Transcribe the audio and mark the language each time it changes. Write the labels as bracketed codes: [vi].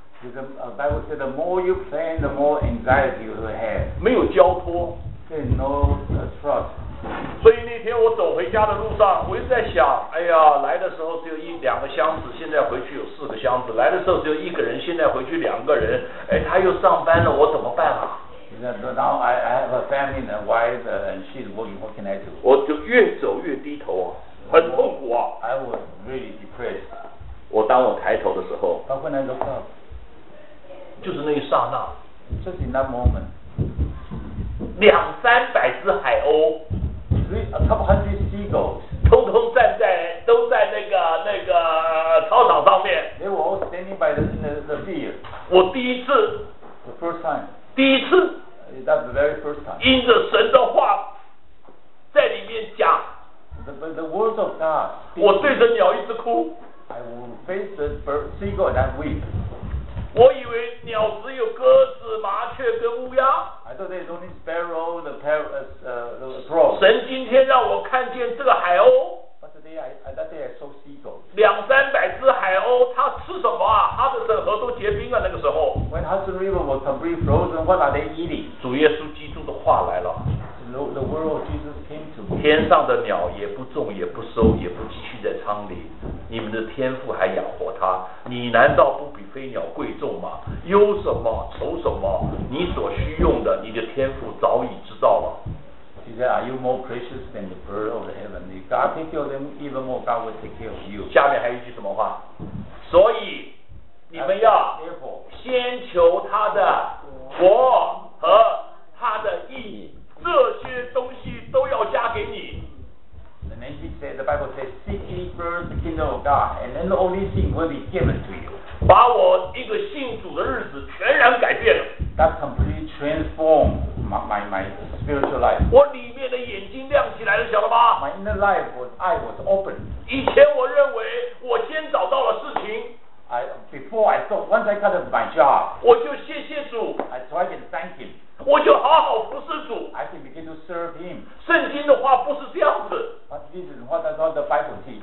[en] Bible said the more you plan, the more anxiety you will have. [zh] 没有交托。 [en] There's no trust. [zh] 所以那天我走回家的路上，我一直在想，哎呀，来的时候只有一两个箱子，现在回去有四个箱子；来的时候只有一个人，现在回去两个人。哎，他又上班了，我怎么办啊？ [en] Now I have a family and a wife, and she's working. What can I do? [zh] 我就越走越低头啊。很痛苦啊 [en] I was really depressed [zh] 我当我抬头的时候 [en] But when I look up [zh] 就是那一刹那 [en] Just in that moment [zh] 两三百只海鸥 [en] A couple hundred seagulls [zh] 通通都在那个操场上面 [en] They were all standing by the field [zh] 我第一次 [en] The first time [zh] 第一次 [en] That's the very first time [zh] 因着神的话在里面讲 [en] The words of God. [zh] 我对着鸟一直哭。 [en] I will face the bird, seagull and weep. [zh] 我以为鸟只有鸽子、麻雀跟乌鸦。 [en] I thought there's only sparrow, the parrot, the frog. [zh] 神今天让我看见这个海鸥。 [en] But today I saw seagulls. [zh] 两三百只海鸥，它吃什么啊？哈德森河都结冰了那个时候。 [en] When Hudson River was completely frozen, what are they eating? [zh] 主耶稣基督的话来了。 [en] The world of Jesus came to me. [zh] 天上的鸟也不种也不收也不积蓄在仓里你们的天父还养活他，你难道不比飞鸟贵重吗？忧什么愁什么，你所需用的你的天父早已知道了。 [en] He said, are you more precious than the bird of the heaven? If God take care of them, even more God will take care of you. [zh] 下面还有一句什么话？所以你们要先求他的国和他的义，这些东西都要加给你。 [en] And then he said, the Bible says, seek ye first the kingdom of God, and then all these things will be given to you. [zh] 把我一个信主的日子全然改变了。 [en] That completely transformed my spiritual life. [zh] 我里面的眼睛亮起来了，晓得吗？ [en] My inner life was, I was open. [zh] 以前我认为我先找到了事情。 [en] Before I thought, once I got my job, [zh] 我就谢谢主。 [en] So I can thank him. [zh] 我就好好服侍主。 [en] I can begin to serve him. [zh] 圣经的话不是这样子。 [en] But this is what I thought the Bible teaches.